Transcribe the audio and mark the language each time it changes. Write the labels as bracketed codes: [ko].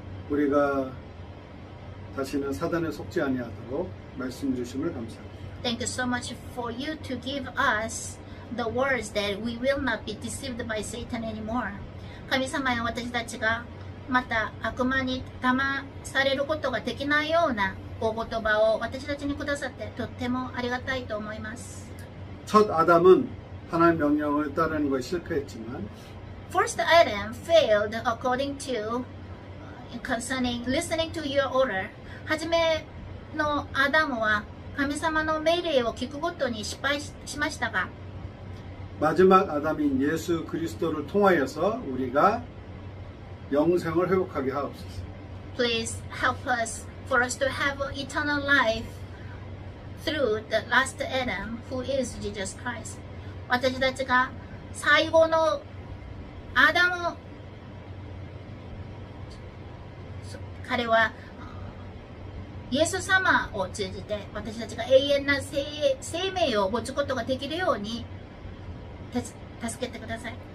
[ko] 우리가다시는사단에속지아니하도록말씀주심을감사합니다. [en] Thank you so much for you to give us the words that we will not be deceived by Satan anymore. [ja] 神様や私たちがまた悪魔に騙されることができないような御言葉を私たちにくださってとってもありがたいと思います。 [ko] 첫아담은하나님의명령을따르는것이실패했지만 [en] First Adam failed according to concerning listening to your order. [ko] 하지만아담은하나님의명령을듣고도실패했다가 마지막아담인예수그리스도를통하여서우리가영생을회복하게하옵소서. [en] Please help us for us to have eternal life through the last Adam who is Jesus Christ. [ja] 私たちが最後のアダム彼はイエス様を通じて私たちが永遠な生命を持つことができるように助けてください。